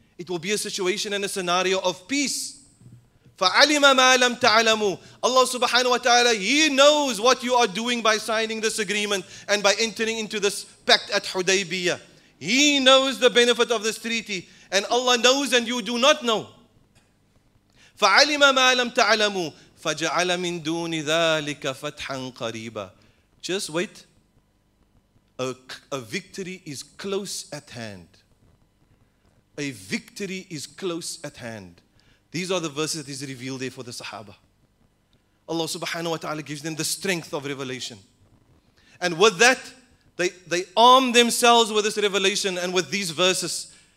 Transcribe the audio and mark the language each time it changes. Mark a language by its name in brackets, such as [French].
[English] It will be a situation and a scenario of peace. [Arabic] فَعَلِمَ مَا لَمْ تَعْلَمُوا [English] Allah subhanahu wa ta'ala, He knows what you are doing by signing this agreement and by entering into this pact at Hudaybiyah. He knows the benefit of this treaty and Allah knows and you do not know. [Arabic] فَعَلِمَ مَا لَمْ تَعْلَمُوا فَجَعَلَ مِن دُونِ ذَٰلِكَ فَتْحًا قَرِيبًا [English] Just wait. A victory is close at hand. A victory is close at hand. These are the verses that is revealed there for the Sahaba. Allah subhanahu wa ta'ala gives them the strength of revelation. And with that, they arm themselves with this revelation and with these verses.